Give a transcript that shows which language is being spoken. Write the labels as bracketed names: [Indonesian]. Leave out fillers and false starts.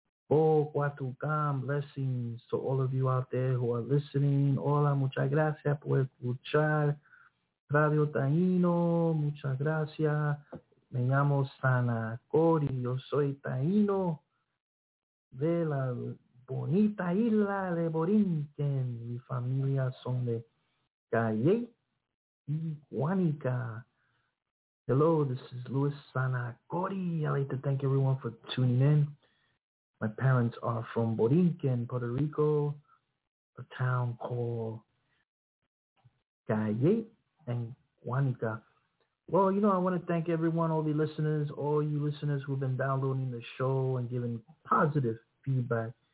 [English] Oh, Guatucam, blessings to all of you out there who are listening. [Spanish] Hola, muchas gracias por escuchar Radio Taino. Muchas gracias. Me llamo Sana Cody. Yo soy Taino de la bonita isla de Borinquen. Mi familia son de Calle y Guanica. [English] Hello, this is Luis Sanacori. I'd like to thank everyone for tuning in. My parents are from Borinquen, Puerto Rico, a town called Calle and Guanica. Well, you know, I want to thank everyone, all the listeners, all you listeners who have been downloading the show and giving positive feedback.